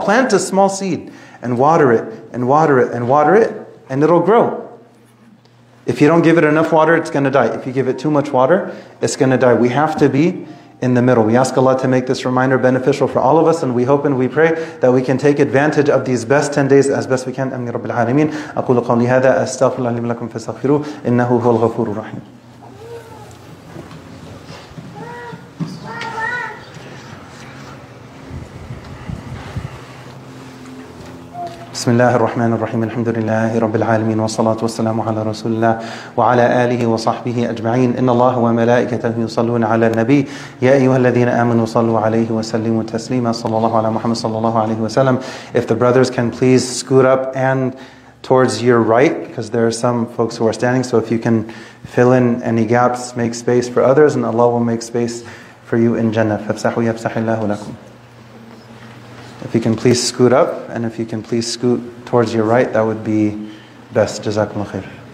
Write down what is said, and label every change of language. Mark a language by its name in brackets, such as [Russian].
[English] Plant a small seed and water it and water it and water it, and it'll grow. If you don't give it enough water, it's going to die. If you give it too much water, it's going to die. We have to be in the middle. We ask Allah to make this reminder beneficial for all of us, and we hope and we pray that we can take advantage of these best 10 days as best we can. [Arabic] Amin Rabbil Alameen. أقول قولي هذا أستغفر الله لي ولكم فاستغفروه إنه هو الغفور الرحيم. بسم الله الرحمن الرحيم الحمد لله رب العالمين والصلاة والسلام على رسول الله وعلى آله وصحبه أجمعين إن الله وملائكته يصلون على النبي يا أيها الذين آمنوا صلوا عليه وسلموا تسليما صلى الله على محمد صلى الله عليه وسلم. [English] If the brothers can please scoot up and towards your right, because there are some folks who are standing, so if you can fill in any gaps, make space for others, and Allah will make space for you in Jannah. [Arabic] فافسحوا يفسح الله لكم. [English] If you can please scoot up, and if you can please scoot towards your right, that would be best. Jazakumullah khair.